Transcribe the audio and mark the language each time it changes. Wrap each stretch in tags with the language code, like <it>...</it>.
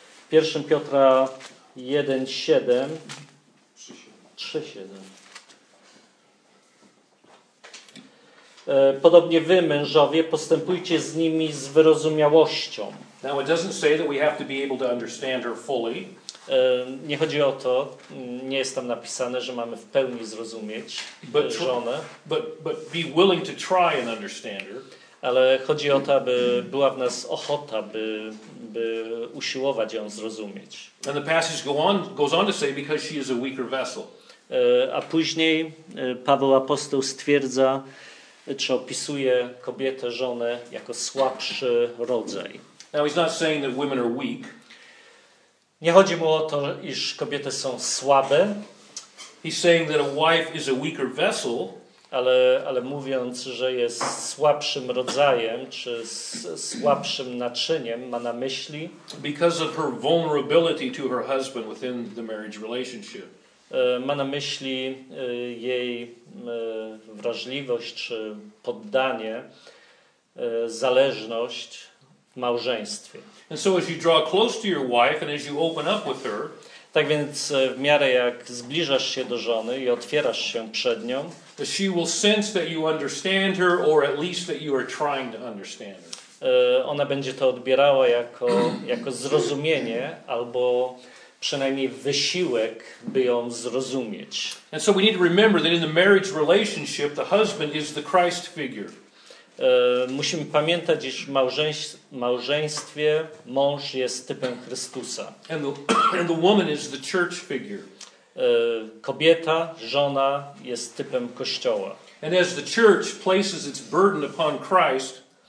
<pl>1 Piotra 1:7 3:7 Podobnie wy, mężowie, postępujcie z nimi z wyrozumiałością.</pl> <en>Now it doesn't say that we have to be able to understand her fully.</en> <pl>Nie chodzi o to, nie jest tam napisane, że mamy w pełni zrozumieć żonę.</pl> <en>But be willing to try and understand her.</en> <pl>Ale chodzi o to, aby była w nas ochota, by usiłować ją zrozumieć.</pl> <en>And the passage goes on to say because she is a weaker vessel.</en> <pl>A później Paweł Apostoł stwierdza, czy opisuje kobietę, żonę jako słabszy rodzaj.</pl> <en>Now he's not saying that women are weak.</en> <pl>Nie chodzi mu o to, iż kobiety są słabe.</pl> <en>He's saying that a wife is a weaker vessel.</en> <pl>Ale mówiąc, że jest słabszym rodzajem, czy słabszym naczyniem, ma na myśli...</pl> <en>Because of her vulnerability to her husband within the marriage relationship.</en> <pl>Ma na myśli jej wrażliwość, czy poddanie, zależność w małżeństwie.</pl> <en>And so as you draw close to your wife and as you open up with her...</en> <pl>Tak więc w miarę jak zbliżasz się do żony i otwierasz się przed nią,</pl> <en>she will sense that you understand her or at least that you are trying to understand her.</en> <pl>Ona będzie to odbierała jako zrozumienie albo przynajmniej wysiłek, by ją zrozumieć.</pl> <en>And so we need to remember that in the marriage relationship the husband is the Christ figure.</en> <pl>Musimy pamiętać, iż w małżeństwie mąż jest typem Chrystusa.</pl> <en>And the woman is the church figure.</en> <pl>Kobieta, żona jest typem Kościoła.</pl> <en>And as the church places its burden upon Christ,</en>